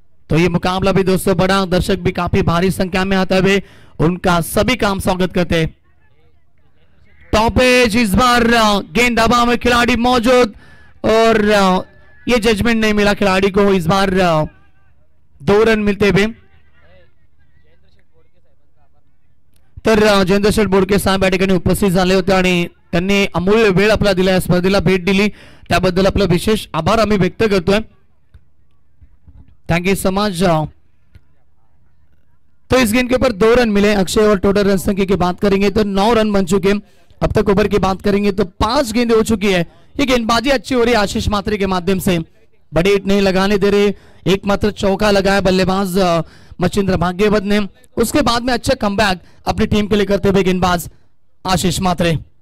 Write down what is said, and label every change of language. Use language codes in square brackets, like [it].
[hi] तो ये मुकाबला भी दोस्तों बड़ा, दर्शक भी काफी भारी संख्या में आते हुए उनका सभी काम स्वागत करते हैं। टॉपेज इस बार गेंद हवा में, खिलाड़ी मौजूद और ये जजमेंट नहीं मिला खिलाड़ी को, इस बार 2 रन मिलते हुए। [mr] तो जयेंद्र शेठ बोर्ड के साहब बैठे उपस्थित झाले होते आणि त्यांनी अमूल्य वेळ आपला दिला, या स्पर्धेला भेट दिली, त्याबद्दल आपले विशेष आभार आम्ही व्यक्त करतोय, [en] Thank you so much. [hi] तो इस गेंद के ऊपर 2 रन मिले अक्षय और टोटल रन संख्या की बात करेंगे तो 9 रन बन चुके। अब तक ओवर की बात करेंगे तो 5 गेंदें हो चुकी है, ये गेंदबाजी अच्छी हो रही है आशीष मात्रे के माध्यम से, बड़े हिट नहीं लगाने दे रहे, एकमात्र चौका लगाया बल्लेबाज मच्छिंद्र भाग्यवत ने, उसके बाद में अच्छा कमबैक अपनी टीम के लिए करते हुए गेंदबाज आशीष मात्रे।